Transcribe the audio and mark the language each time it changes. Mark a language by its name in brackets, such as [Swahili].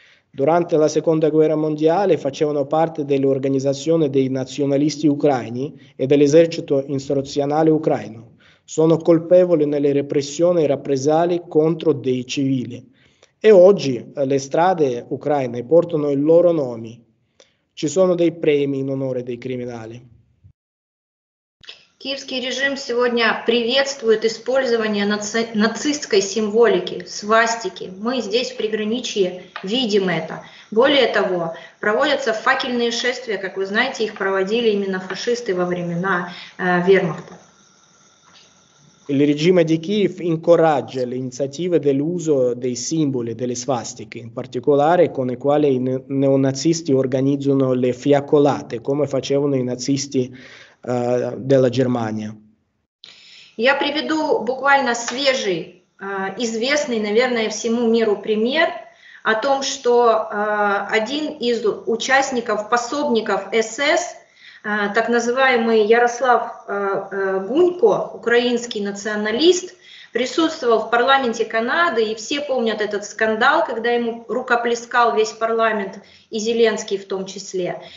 [Italian] Durante la Seconda Guerra Mondiale facevano parte dell'organizzazione dei nazionalisti ucraini e dell'esercito insurrezionale ucraino. Sono colpevoli nelle repressioni e rappresaglie contro dei civili. E oggi le strade ucraine portano i loro nomi. Ci sono dei premi in onore dei criminali. [Russian] Киевский режим сегодня приветствует использование нацистской символики, свастики. Мы здесь, в приграничье, видим это. Более того, проводятся факельные шествия, как вы знаете, их проводили именно фашисты во времена вермахта. [Italian] Il regime di Kiev incoraggia le iniziative dell'uso dei simboli, delle svastiche, in particolare con le quali i neonazisti organizzano le fiaccolate, come facevano i nazisti della Germania. [Russian] Я приведу буквально свежий, известный, наверное, всему миру пример о том, что один из участников, пособников СС, так называемый Ярослав Гунько, украинский националист, присутствовал в парламенте Канады, и все помнят этот скандал, когда ему рукоплескал весь парламент, и Зеленский в том числе.